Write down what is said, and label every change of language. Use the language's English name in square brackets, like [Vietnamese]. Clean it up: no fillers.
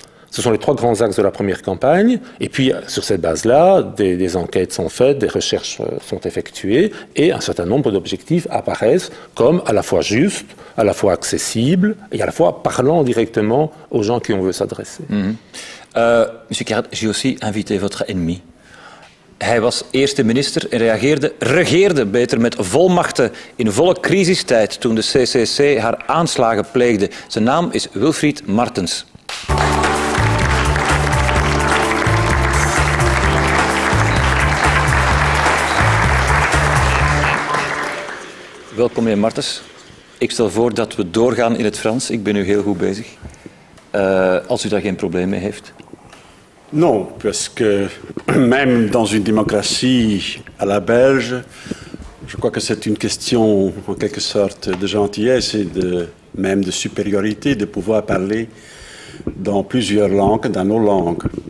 [French] Ce sont les trois grands axes de la première campagne. Et puis, sur cette base-là, des enquêtes sont faites, des recherches sont effectuées, et un certain nombre d'objectifs apparaissent comme à la fois justes, à la fois accessibles, et à la fois parlant directement aux gens qui on veut s'adresser. Monsieur Carat, j'ai aussi invité votre ennemi. [Dutch] Hij was eerste minister en regeerde met volmachten in volle crisistijd toen de CCC haar aanslagen pleegde. Zijn naam is Wilfried Martens. Welkom, meneer Martens. Ik stel voor dat we doorgaan in het Frans. Ik ben u heel goed bezig. Als u daar geen probleem mee heeft. [French] Non, parce que même dans une démocratie à la belge, je crois que c'est une question en quelque sorte de gentillesse et même de supériorité de pouvoir parler dans plusieurs langues, dans nos langues.